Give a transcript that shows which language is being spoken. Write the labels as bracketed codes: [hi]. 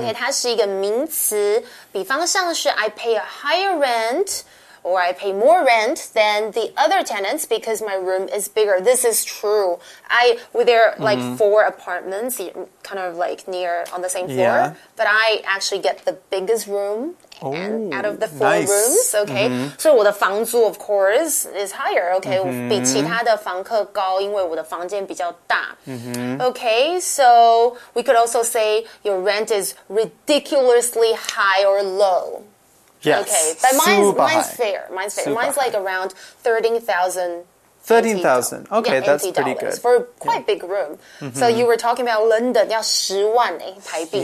[en] Okay, [zh] 它是一个名词，比方像是 [en] I pay a higher rent or I pay more rent than the other tenants because my room is bigger. This is true. There are like four apartments kind of like near on the same floor. But I actually get the biggest room out of the four rooms. Okay. Mm-hmm. So [zh] 我的房租 [en] of course is higher. Okay. Mm-hmm. [zh] 比其他的房客高因为我的房间比较大。 [en] Mm-hmm. Okay. So we could also say your rent is ridiculously high or low. Yes. Okay, but mine's fair. Mine's like around 13,000. 13,000. Okay, that's pretty good. For quite big room. Mm-hmm. So you were talking about London, [zh] 要10万台币.